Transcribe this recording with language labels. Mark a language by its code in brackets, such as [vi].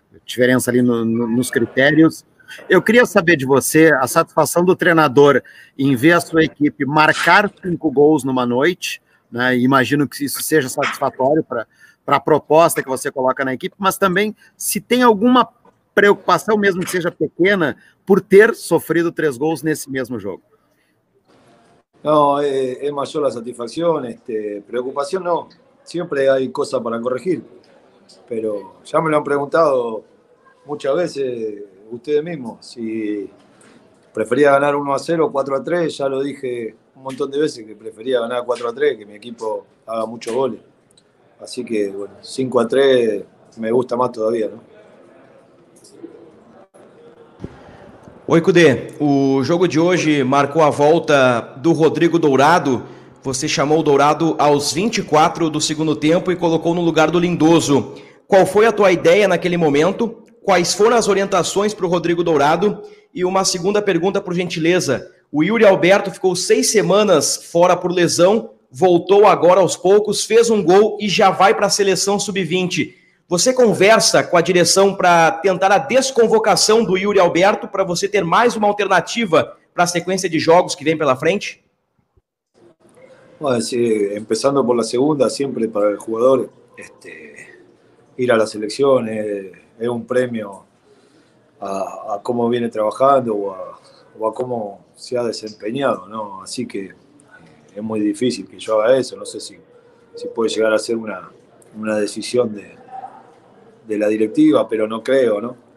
[pt] Diferença ali no, no, nos critérios. Eu queria saber de você a satisfação do treinador em ver a sua equipe marcar 5 gols numa noite, né? Imagino que isso seja satisfatório para a proposta que você coloca na equipe, mas também se tem alguma preocupação, mesmo que seja pequena, por ter sofrido 3 gols nesse mesmo jogo. [es] No, es mayor la satisfacción, preocupación no, siempre hay cosas para corregir, pero ya me lo han preguntado muchas veces ustedes mismos, si prefería ganar 1 a 0 o 4 a 3, ya lo dije un montón de veces que prefería ganar 4 a 3, que mi equipo haga muchos goles, así que bueno, 5 a 3 me gusta más todavía, ¿no? [pt] Oi, Cudê. O jogo de hoje marcou a volta do Rodrigo Dourado. Você chamou o Dourado aos 24 do segundo tempo e colocou no lugar do Lindoso. Qual foi a tua ideia naquele momento? Quais foram as orientações para o Rodrigo Dourado? E uma segunda pergunta, por gentileza. O Yuri Alberto ficou 6 semanas fora por lesão, voltou agora aos poucos, fez um gol e já vai para a seleção sub-20. Você conversa com a direção para tentar a desconvocação do Yuri Alberto para você ter mais uma alternativa para a sequência de jogos que vem pela frente? [es] Bueno, sí, empezando por la segunda, siempre para el jugador, ir a la selección es un premio a cómo viene trabajando o a cómo se ha desempeñado, ¿no? Así que es muy difícil que yo haga eso, no sé si puede llegar a ser una decisión de la directiva, pero no creo, ¿no?